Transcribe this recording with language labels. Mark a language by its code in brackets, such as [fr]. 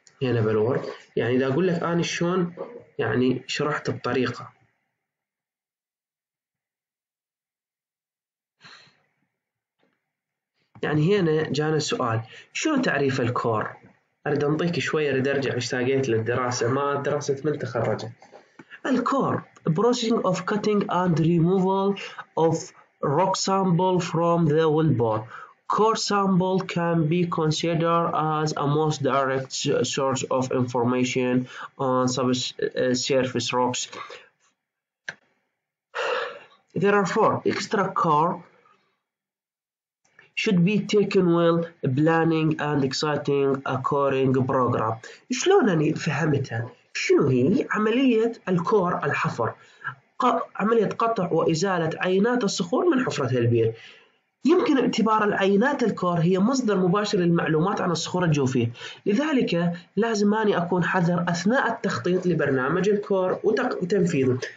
[ar] يا نبلور، يعني إذا أقول لك أنا شلون يعني شرحت الطريقة. يعني هنا جانا السؤال، شنو تعريف الكور؟ أريد أنطيك شوية، أريد أرجع اشتاقيت للدراسة، ما دراسة من تخرجت. [en] الكور processing of cutting and removal of rock sample from the well bore. Core sample can be considered as a most direct source of information on subsurface rocks. Therefore, extra core should be taken while planning and exciting a coring program. [ar] شلون أنا فهمتها؟ شنو هي؟ عملية الكور الحفر، عملية قطع وإزالة عينات الصخور من حفرة البير. يمكن اعتبار العينات الكور هي مصدر مباشر للمعلومات عن الصخور الجوفية، لذلك لازم أني أكون حذر أثناء التخطيط لبرنامج الكور وتنفيذه.